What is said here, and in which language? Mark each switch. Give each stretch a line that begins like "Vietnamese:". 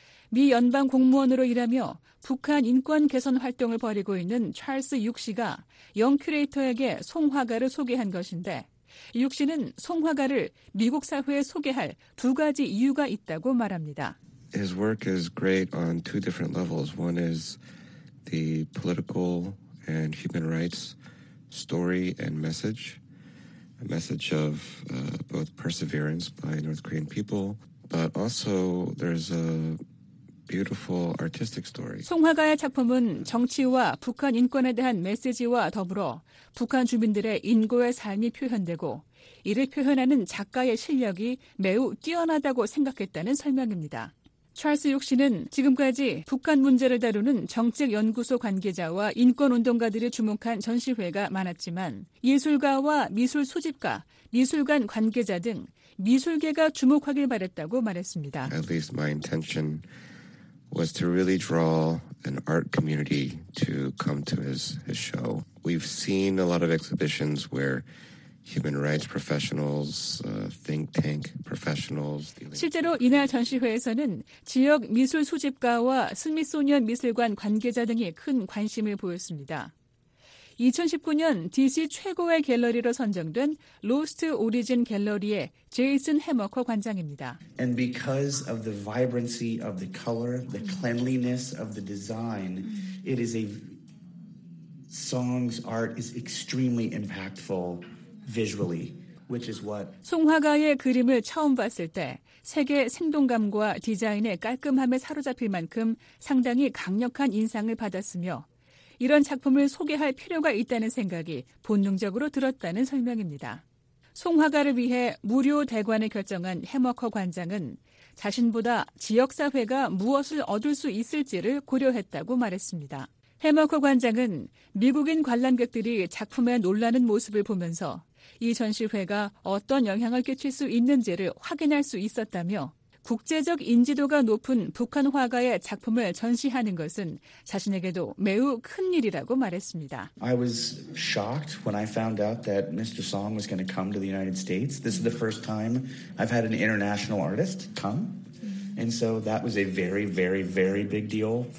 Korean: 미 연방 공무원으로 일하며 북한 인권 개선 활동을 벌이고 있는 찰스 육 씨가 영 큐레이터에게 송 화가를 소개한 것인데 육 씨는 송 화가를 미국 사회에 소개할 두 가지 이유가 있다고 말합니다.
English: His work is great on two different levels. One is the political and human rights story and message, a message of both perseverance by North Korean people, but also there's a beautiful artistic story.
Korean: 송 화가의 작품은 정치와 북한 인권에 대한 메시지와 더불어 북한 주민들의 인고의 삶이 표현되고 이를 표현하는 작가의 실력이 매우 뛰어나다고 생각했다는 설명입니다. 찰스 육 씨는 지금까지 북한 문제를 다루는 정책연구소 관계자와 인권운동가들이 주목한 전시회가 많았지만 예술가와 미술 수집가, 미술관 관계자 등 미술계가 주목하길 바랬다고 말했습니다.
English: At least my intention was to really draw an art community to come to his show. We've seen a lot of exhibitions where human rights professionals, think tank professionals.
Korean: 실제로 이날 전시회에서는 지역 미술 수집가와 스미소니언 미술관 관계자 등이 큰 관심을 보였습니다. 2019년 DC 최고의 갤러리로 선정된 로스트 오리진 갤러리의 제이슨 해머커 관장입니다.
English: And because of the vibrancy of the color, the cleanliness of the design, it is a song's art is extremely impactful. Visually, which is what
Korean: 송 화가의 그림을 처음 봤을 때 색의 생동감과 디자인의 깔끔함에 사로잡힐 만큼 상당히 강력한 인상을 받았으며 이런 작품을 소개할 필요가 있다는 생각이 본능적으로 들었다는 설명입니다. 송 화가를 위해 무료 대관을 결정한 해머커 관장은 자신보다 지역사회가 무엇을 얻을 수 있을지를 고려했다고 말했습니다. 해머커 관장은 미국인 관람객들이 작품에 놀라는 모습을 보면서 이 전시회가 어떤 영향을 끼칠 수 있는지를 확인할 수 있었다며 국제적 인지도가 높은 북한 화가의 작품을 전시하는 것은 자신에게도 매우 큰 일이라고 말했습니다.
English: I was shocked when I found out that Mr. Song was going to come to the United States. This is the first time I've had an international artist come. And so that was a very, very, very big deal.